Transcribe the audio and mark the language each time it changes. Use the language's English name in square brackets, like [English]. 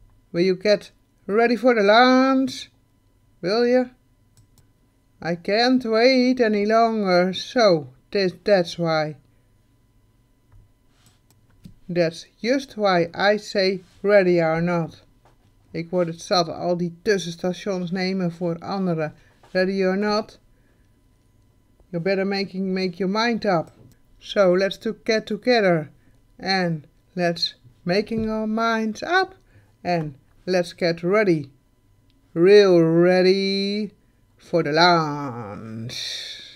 [English] Will you get ready for the launch? Will you? I can't wait any longer, so that's why. That's just why I say ready or not. [Dutch] Ik word het zat al die tussenstations nemen voor anderen. [English] Ready or not? You better make your mind up. So let's get together and let's making our minds up and let's get ready, real ready for the launch.